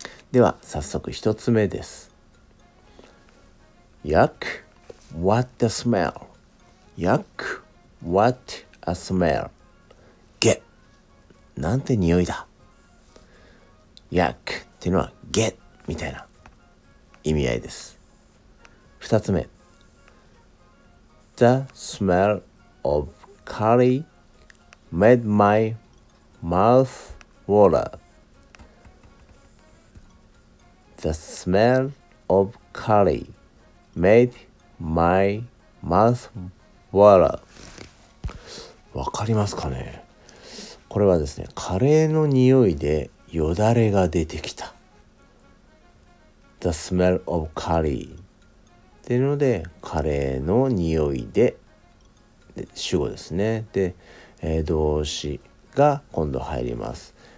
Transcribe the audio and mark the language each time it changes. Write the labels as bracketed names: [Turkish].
[Japanese] では、早速一つ目です。 [English] Yuck, what a smell. Yuck, what a smell. [Japanese] ゲッ。なんて匂いだ。 Yuck っていうのはゲッみたいな意味合いです。二つ目。 [English] The smell of curry made my mouth water. The smell of curry made my mouth water. [Japanese] わかりますかね？これはですね、カレーの匂いでよだれが出てきた。 [English] The smell of curry. [Japanese] っていうので、カレーの匂いで、主語ですね。で、動詞が今度入ります。